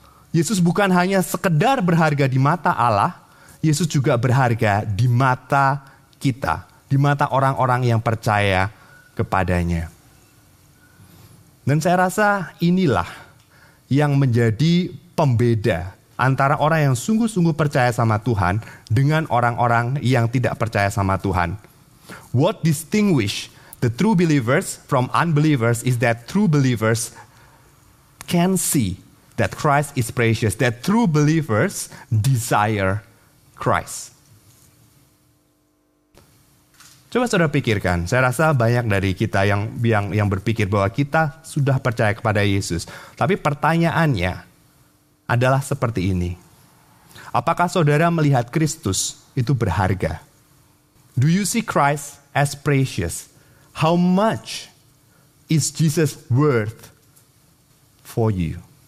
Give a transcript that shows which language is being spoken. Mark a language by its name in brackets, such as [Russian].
[Indonesian] Yesus bukan hanya sekedar berharga di mata Allah, Yesus juga berharga di mata kita, di mata orang-orang yang percaya kepadanya. Dan saya rasa inilah yang menjadi pembeda antara orang yang sungguh-sungguh percaya sama Tuhan dengan orang-orang yang tidak percaya sama Tuhan. [English] What distinguish the true believers from unbelievers is that true believers can see that Christ is precious, that true believers desire Christ. [Indonesian] Coba saudara pikirkan, saya rasa banyak dari kita yang berpikir bahwa kita sudah percaya kepada Yesus. Tapi pertanyaannya adalah seperti ini. Apakah saudara melihat Kristus itu berharga? [English] Do you see Christ as precious? How much is Jesus worth for you?